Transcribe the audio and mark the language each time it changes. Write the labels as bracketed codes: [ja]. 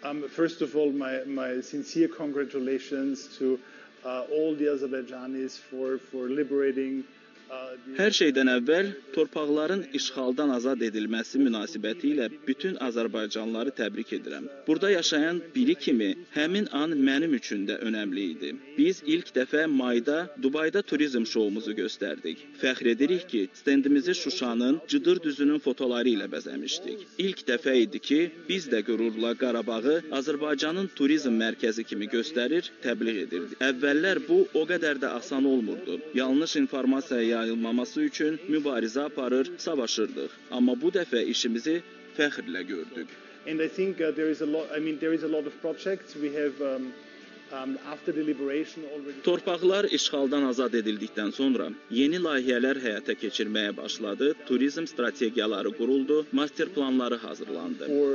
[en] First of all, my sincere congratulations to all the Azerbaijanis for liberating. [az] Hər şeydən əvvəl torpaqların işğaldan azad edilməsi münasibətilə bütün Azərbaycanlıları təbrik edirəm. Burada yaşayan biri kimi həmin an mənim üçün də önəmli idi. Biz ilk dəfə mayda Dubayda turizm şovumuzu göstərdik. Fəxr edirik ki, stendimizi Şuşanın Cıdır düzünün fotoları ilə bəzəmişdik. İlk dəfə idi ki, biz də qürurla Qarabağı Azərbaycanın turizm mərkəzi kimi göstərir, təbliğ edirdik. Əvvəllər bu o qədər də asan olmurdu. Yanlış informasiya yayılmaması üçün mübarizə aparır, savaşırdıq. Amma bu dəfə işimizi fəxrlə gördük. [en] And I think there is a lot of projects we have after the liberation already. [az] Torpaqlar işğaldan azad edildikdən sonra yeni layihələr həyata keçirməyə başladı, turizm strategiyaları quruldu, master planları hazırlandı.